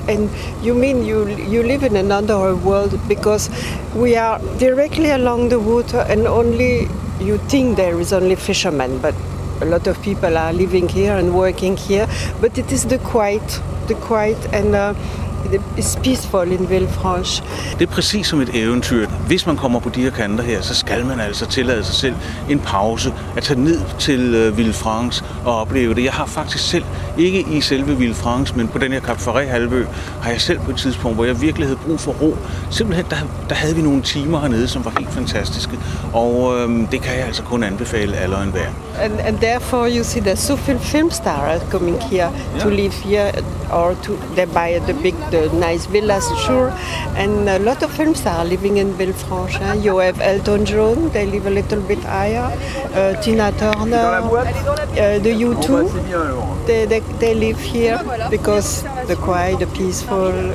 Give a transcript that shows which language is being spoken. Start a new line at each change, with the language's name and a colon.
English: And you mean you live in another world because we are directly along the water and only you think there is only fishermen, but a lot of people are living here and working here. But it is the quiet and It's peaceful in Villefranche.
Danish: Det er præcis som et eventyr. Hvis man kommer på de her kanter her, så skal man altså tillade sig selv en pause at tage ned til Villefranche og opleve det. Jeg har faktisk selv, ikke i selve Villefranche, men på den her Cap Ferret-halvø, har jeg selv på et tidspunkt, hvor jeg virkelig havde brug for ro. Simpelthen, der havde vi nogle timer hernede, som var helt fantastiske. Og det kan jeg altså kun anbefale alle og enhver.
English: And therefore you see there's so many filmstars coming here, yeah, to live here or to they buy the big the nice villas, sure, and a lot of film stars living in Villefranche, eh? You have Elton John, they live a little bit higher, Tina Turner, the U2, they live here because the quiet, the peaceful.